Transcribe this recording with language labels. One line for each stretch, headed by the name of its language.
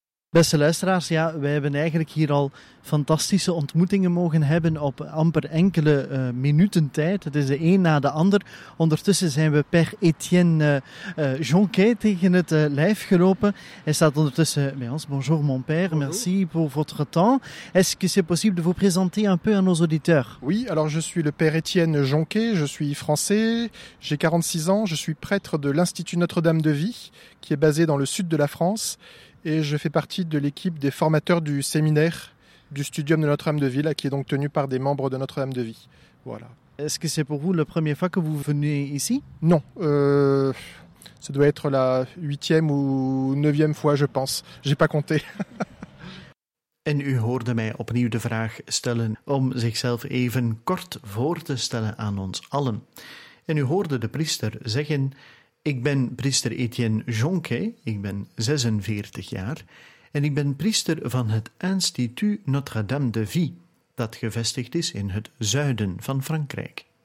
Dutch: Beste luisteraars, ja, wij hebben eigenlijk hier al fantastische ontmoetingen mogen hebben op amper enkele minuten tijd. Het is de een na de ander. Ondertussen zijn we Père Étienne Jonquet tegen het lijf gelopen. Hij staat ondertussen bij ons.
French: Bonjour mon père, bonjour. Merci pour votre temps. Est-ce que c'est possible de vous présenter un peu à nos auditeurs? Oui, alors je suis le Père Étienne Jonquet, je suis français, j'ai 46 ans, je suis prêtre de l'Institut Notre-Dame de Vie, qui est basé dans le sud de la France. Et je fais partie de l'équipe des formateurs du séminaire du Studium de Notre-Dame de Ville, qui est donc tenu par des membres de Notre-Dame de Vie. Voilà. Est-ce que c'est pour vous la première fois que vous venez ici ? Non, ça doit être la 8e ou 9e fois, je pense. Je n'ai pas compté.
Dutch: En u hoorde mij opnieuw de vraag stellen om zichzelf even kort voor te stellen aan ons allen. En u hoorde de priester zeggen, ik ben priester Étienne Jonquet, ik ben 46 jaar en ik ben priester van het Institut Notre-Dame de Vie, dat gevestigd is in het zuiden van Frankrijk.